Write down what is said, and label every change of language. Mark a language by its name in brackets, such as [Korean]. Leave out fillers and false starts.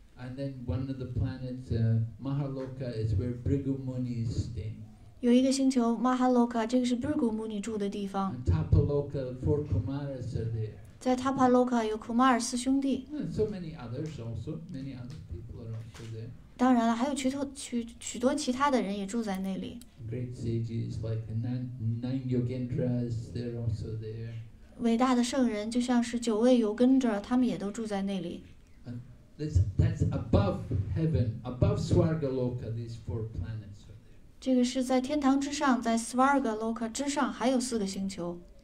[English] And then one of the planets, Mahaloka, is where Bhrigu Muni is staying. [Chinese] 有一个星球 Mahaloka， 这个是 Bhrigu Muni 住的地方。 [English] And Tapaloka, four Kumaras are there. [Chinese] 在 Tapaloka 有 Kumar 四兄弟。 [English] And so many others also, many other people are also there. [Chinese] 当然了，还有许多其他的人也住在那里。 [English] Great sages like nine Yogendras, they're also there. [Chinese] 伟大的圣人就像是九位 Yogendra， 他们也都住在那里。 [English] That's above heaven, above Swarga Loka. These four planets are there. [Chinese] 这个是在天堂之上，在 Swarga Loka 之上还有四个星球。